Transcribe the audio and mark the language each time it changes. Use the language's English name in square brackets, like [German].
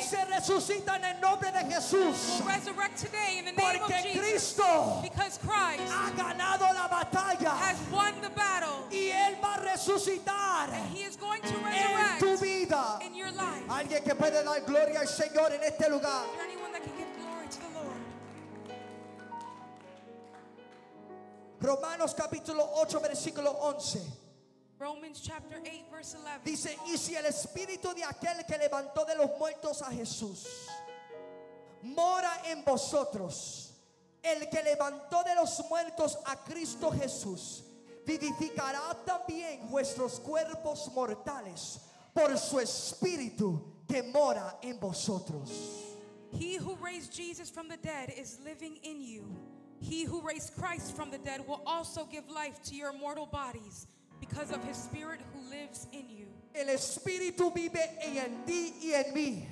[Spanish] hoy se resucita en el nombre de Jesús. [English] We'll resurrect today in the name [Spanish] porque [English] of Jesus. [Spanish] Cristo, [English] because Christ [Spanish] ha ganado la batalla, [English] has won the battle, [Spanish] y él va a resucitar. [English] He is going to resurrect [Spanish] en tu vida. [English] In your life. [Spanish] Alguien que puede dar gloria al Señor en este lugar. [English] Is there anyone that can give glory to the Lord? [Spanish] Romanos capítulo 8 versículo 11. [English] Romans chapter 8 verse 11. [Spanish] Dice, y si el espíritu de aquel que levantó de los muertos a Jesús mora en vosotros, el que levantó de los muertos a Cristo Jesús vivificará también vuestros cuerpos mortales por su espíritu que mora en vosotros. [English] He who raised Jesus from the dead is living in you. He who raised Christ from the dead will also give life to your mortal bodies because of his spirit who lives in you. [Spanish] El espíritu vive en ti y en mí.